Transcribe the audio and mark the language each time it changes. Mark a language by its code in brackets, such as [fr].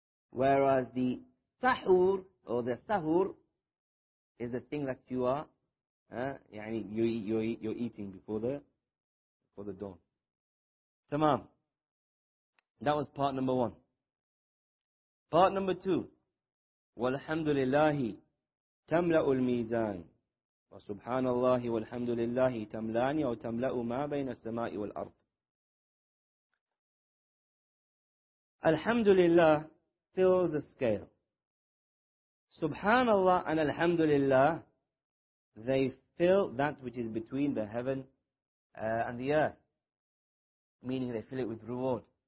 [en] Whereas the sahur, or the sahur, is the thing that you are, you're eating before the dawn. Tamam. That was part number one. Part number two. [ar] والحمد لله تملأ الميزان وسبحان الله والحمد لله تملان أو تملأ ما بين السماء والأرض. [en] الحمد لله fills the scale. سبحان الله and الحمد لله, they fill that which is between the heaven and the earth, meaning they fill it with reward.